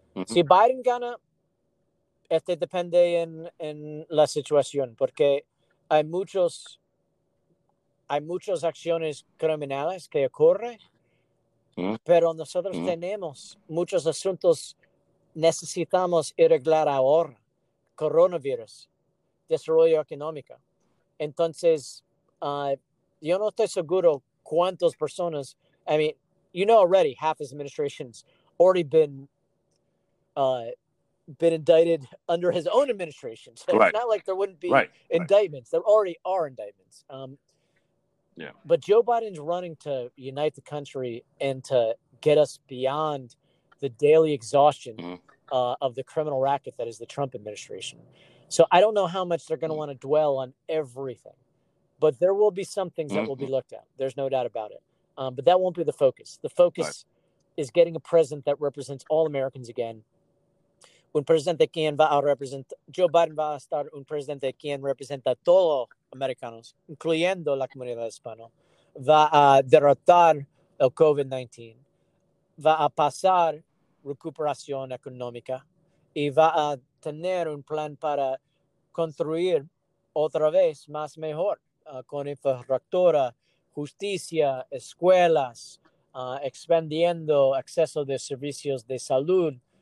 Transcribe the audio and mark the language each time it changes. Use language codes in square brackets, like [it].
[es] Si Biden gana, este depende en la situación, porque hay muchas acciones criminales que ocurren, pero nosotros tenemos muchos asuntos necesitamos arreglar ahora. Coronavirus, desarrollo económico. Entonces, yo no estoy seguro cuántas personas, [en] I mean, you know, already half his administration's already been indicted under his own administration. So it's not like there wouldn't be indictments. There already are indictments. But Joe Biden's running to unite the country and to get us beyond the daily exhaustion of the criminal racket that is the Trump administration. So I don't know how much they're going to want to dwell on everything, but there will be some things that will be looked at. There's no doubt about it. But that won't be the focus. The focus is getting a president that represents all Americans again, [es] un presidente quien va a representar, Joe Biden va a estar un presidente quien representa a todos los americanos, incluyendo la comunidad hispana, va a derrotar el COVID-19, va a pasar recuperación económica y va a tener un plan para construir otra vez más mejor, con infraestructura, justicia, escuelas, expandiendo acceso de servicios de salud